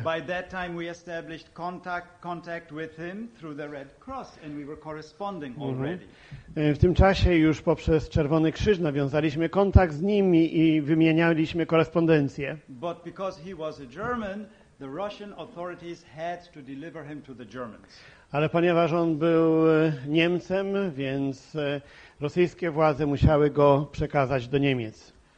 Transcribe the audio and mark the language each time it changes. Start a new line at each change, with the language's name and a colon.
English: By that time we established contact with him through the Red Cross and we were corresponding already.
Polish: W tym czasie już poprzez Czerwony Krzyż nawiązaliśmy kontakt z nimi i wymienialiśmy korespondencję.
English: But because he was a German, the Russian authorities had to deliver him to the Germans.
Polish: Ale ponieważ on był Niemcem, więc rosyjskie władze musiały go przekazać do Niemiec.